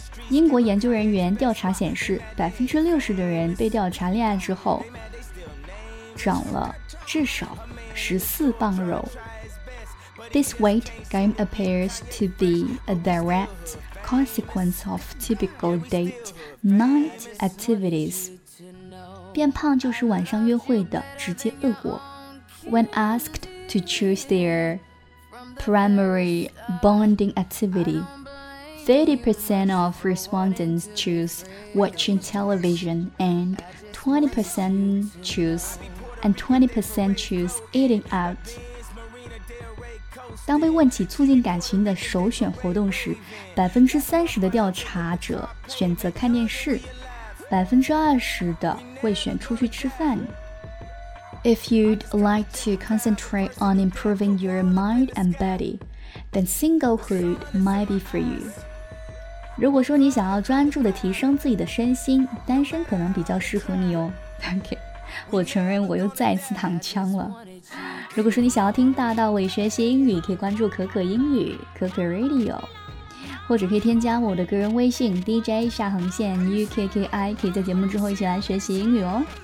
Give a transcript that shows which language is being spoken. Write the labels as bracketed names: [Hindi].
[Chinese] 英国研究人员调查显示 ,60% 的人被调查恋爱之后长了至少14磅肉。 [English] This weight gain appears to be a direct consequence of typical date night activities. [Chinese] 变胖就是晚上约会的直接恶果。 [English] When asked to choose their primary bonding activity, 30% of respondents choose watching television and 20% choose, and 20% choose eating out. [Chinese] 当被问起促进感情的首选活动时 ,30% 的调查者选择看电视 ,20% 的会选出去吃饭。 [English] If you'd like to concentrate on improving your mind and body, then singlehood might be for you. [Chinese] 如果说你想要专注地提升自己的身心单身可能比较适合你哦。 OK, 我承认我又再次躺枪了。如果说你想要听大道理学习英语可以关注可可英语可可 Radio 或者可以添加我的个人微信 DJ 下横线 UKKI 可以在节目之后一起来学习英语哦